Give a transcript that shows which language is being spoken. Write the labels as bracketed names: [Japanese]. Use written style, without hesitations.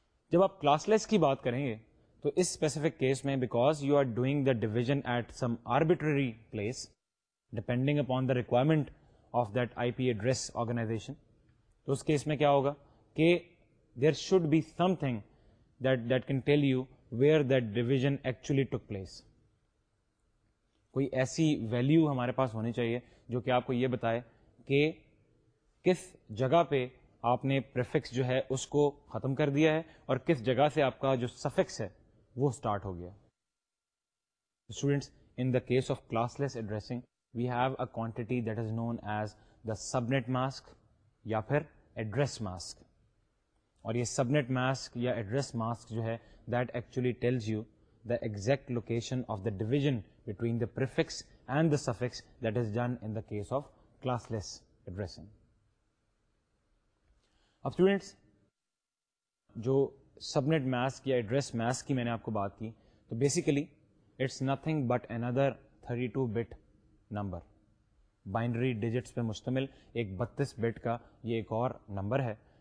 [Urdu] جب آپ کلاس لیس کی بات کریں گے تو اس اسپیسیفک کیس میں [English] because you are doing the division at some arbitrary place depending upon the requirement of that I P address organization, [Urdu] تو اس کیس میں کیا ہوگا کہ [English] There should be something that can tell you where that division actually took place. [Urdu] کوئی ایسی value ہمارے پاس ہونی چاہیے جو کہ آپ کو یہ بتائے کہ کس جگہ پہ آپ نے پریفکس جو ہے اس کو ختم کر دیا ہے اور کس جگہ سے آپ کا جو سفکس ہے وہ اسٹارٹ ہو گیا. [English] students, in the case of classless addressing we have a quantity that is known as the subnet mask [Urdu] یا پھر ایڈریس ماسک, اور یہ سب نیٹ ماسک یا ایڈریس ماسک جو ہے [English] That actually tells you the exact location of the division between the prefix and the suffix that is done in the case of classless addressing. [Urdu] اب students, جو سب net mask یا address mask کی میں نے آپ کو بات کی, تو [English] basically it's nothing but اندر 32 bit number [Urdu] binary digits پہ مشتمل ایک 32 بٹ کا یہ ایک اور نمبر ہے.